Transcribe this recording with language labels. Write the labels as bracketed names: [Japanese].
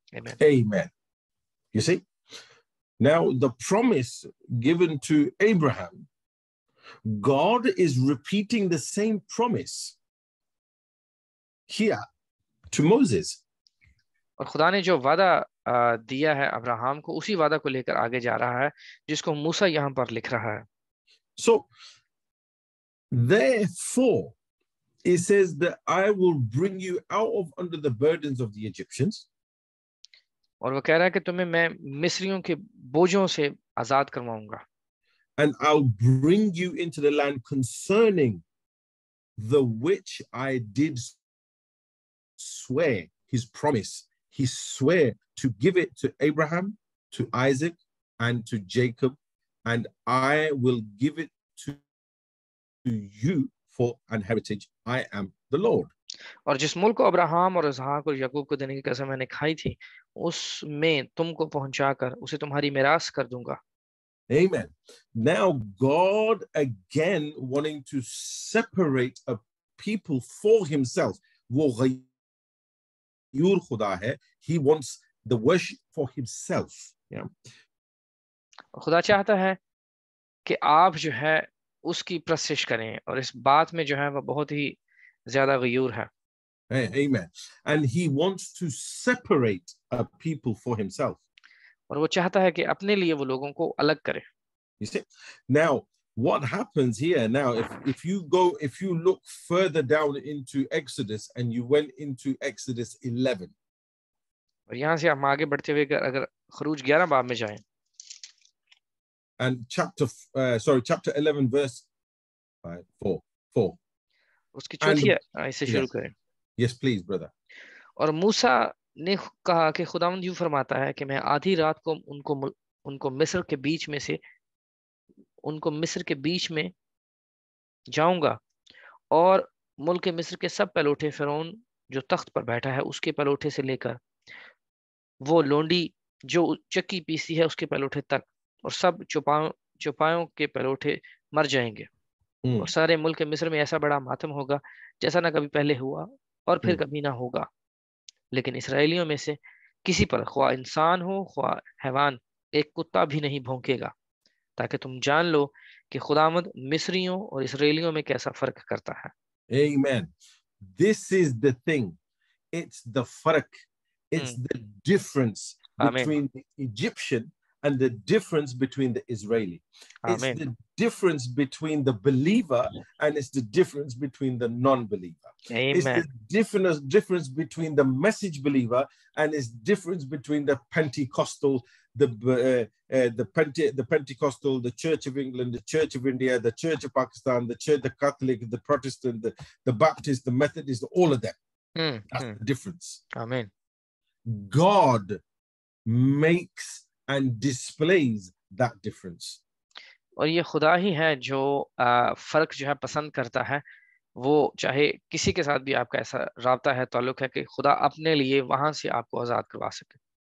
[English] आमीन। You see Now, the promise given to Abraham, God is repeating the same promise here to Moses. [Hindi] और खुदा ने जो वादा दिया है अब्राहम को, उसी वादा को लेकर आगे जा रहा है जिसको मूसा यहां पर लिख रहा है। [English] So, therefore, it says that I will bring you out of under the burdens of the Egyptians. [Hindi] और वो कह रहा है कि तुम्हें मैं मिस्रियों के बोझों से आजाद करवाऊंगा। [English] And I'll bring you into the land concerning the which I did swear, his promise, he swear to give it to Abraham, to Isaac, and to Jacob. And I will give it to you for an heritage. I am the Lord. [Hindi] और जिस मुल्क को Abraham और इसहाक और याकूब को देने की कसम मैंने खाई थी, उसमें तुमको पहुंचाकर उसे तुम्हारी मिरास कर दूंगा। [English] Amen. Now God again wanting to separate a people for himself. [Hindi] वो غیور خدا ہے. [English] He wants the worship for himself. Yeah. [Hindi] खुदा चाहता है कि आप जो है उसकी प्रशिश करें, और इस बात में जो है वह बहुत ही ज्यादा गयूर है। [English] Amen. And he wants to separate a people for himself. [Hindi] और वो चाहता है कि अपने लिए वो लोगों को अलग करे। [English] You see? Now, what happens here now, if you look further down into Exodus and you went into Exodus 11. [Hindi] और यहां से हम आगे बढ़ते हुए अगर खरूज 11 बाब में जाएं, [English] And chapter 11, verse 4. [Hindi] उसकी चौथी ऐसे शुरू करें। [English] Yes, please, brother. [Hindi] और मूसा ने कहा कि खुदावंद यूं फरमाता है कि मैं आधी रात को उनको उनको मिस्र के बीच में से उनको मिस्र के बीच में जाऊंगा, और मुल्क मिस्र के सब पलौठे फिरौन जो तख्त पर बैठा है उसके पलौठे से लेकर वो लोंडी जो चक्की पीसी है उसके पलौठे तक, और सब चुपायों के पलौठे मर जाएंगे, और सारे मुल्क मिस्र में ऐसा बड़ा मातम होगा जैसा ना कभी पहले हुआ और फिर कभी ना होगा। लेकिन इसराइलियों में से किसी पर, ख्वा इंसान हो ख्वा हैवान, एक कुत्ता भी नहीं भौंकेगा, ताकि तुम जान लो कि खुदावंद मिस्रियों और इसराइलियों में कैसा फर्क करता है। [English] Amen. This is the thing. It's the fark. It's the difference between the Egyptian and the difference between the Israeli. Amen. It's the difference between the believer and it's the difference between the non-believer. Amen. It's the difference between the message believer and it's difference between the Pentecostal, the Pentecostal, the Church of England, the Church of India, the Church of Pakistan, the Church, the Catholic, the Protestant, the Baptist, the Methodist, all of them. That's the difference. Amen. God makes and displays that difference. [Hindi] और ये खुदा ही है जो फर्क जो है पसंद करता है, वो चाहे किसी के साथ भी आपका ऐसा राबता है, ताल्लुक है, कि खुदा अपने लिए वहां से आपको आजाद करवा सके।